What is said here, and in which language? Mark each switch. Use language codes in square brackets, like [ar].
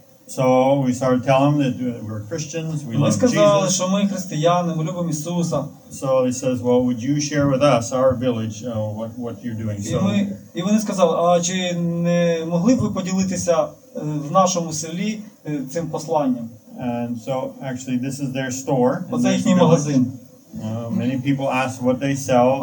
[en] So we started telling them that we're Christians, we love [uk] Ми сказали, що ми християни, ми любимо Ісуса. [en] So he says, well, would you share with us, our village, what you're doing? [uk] І, ми, і вони сказали, а чи не могли б ви поділитися в нашому селі цим посланням? [en] And so, actually, this is their store. [uk] Оце їхній магазин. [en] Many people ask what they sell.